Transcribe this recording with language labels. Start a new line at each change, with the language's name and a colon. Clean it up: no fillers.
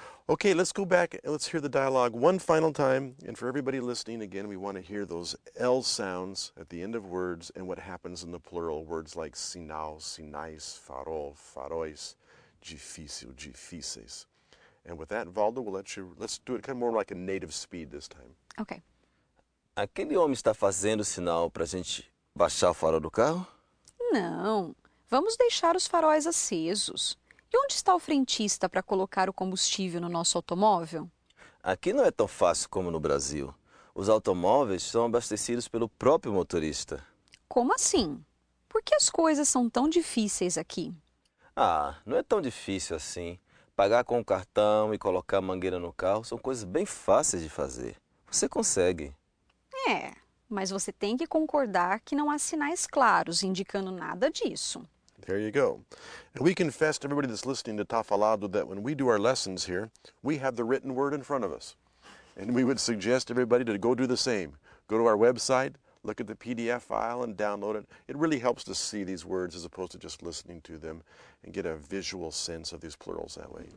English: Okay, let's go back and let's hear the dialogue one final time. And for everybody listening, again, we want to hear those L sounds at the end of words and what happens in the plural. Words like
Portuguese: sinal, sinais, farol, farois, difícil, difíceis.
English: And with that, Valdo, we'll let's do it kind of more like a native speed this time. Okay.
Portuguese: Aquele homem está fazendo sinal para a gente baixar o farol do carro? Não. Vamos deixar os faróis acesos. E onde está o frentista para colocar o combustível no nosso automóvel? Aqui não é tão fácil como no Brasil. Os automóveis são abastecidos pelo próprio motorista. Como assim? Por que as coisas são tão difíceis aqui? Ah, não é tão difícil assim. Pagar com o cartão e colocar a mangueira no carro são coisas bem fáceis de fazer. Você consegue. É... mas você tem que concordar que não há sinais claros indicando nada disso.
English: There you go. And we confess to everybody that's listening to Tafalado that when we do our lessons here, we have the written word in front of us. And we would suggest everybody to go do the same. Go to our website, look at the PDF file and download it. It really helps to see these words as opposed to just listening to them and get a visual sense of these plurals that way.